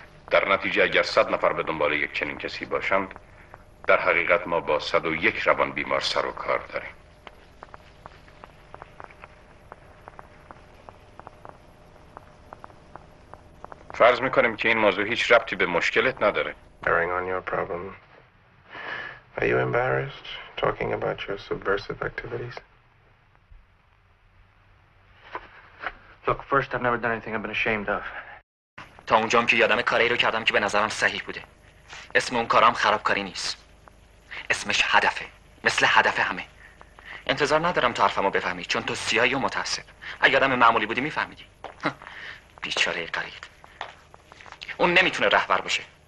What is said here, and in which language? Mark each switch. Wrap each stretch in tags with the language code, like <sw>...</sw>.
<fa>در نتیجه اگر 100 نفر به دنبال یک چنین کسی باشند، در حقیقت ما با 101 روان بیمار سر و کار داریم. فرض میکنیم که این موضوع هیچ ربطی به مشکلت نداره.</fa> <en>Bearing on your problem. Are you embarrassed talking about your subversive activities? Look, first I've never done anything I've been ashamed of.</en> <fa>تا اونجام که یادم کاری رو کردم که به نظرم صحیح بوده. اسم اون کارام خرابکاری نیست. اسمش هدفه، مثل هدف همه. انتظار ندارم تو حرفمو بفهمی، چون تو سیاهی و متعصب. اگه آدم معمولی بودی میفهمیدی. بیچاره قریب، اون نمیتونه رهبر باشه.</fa>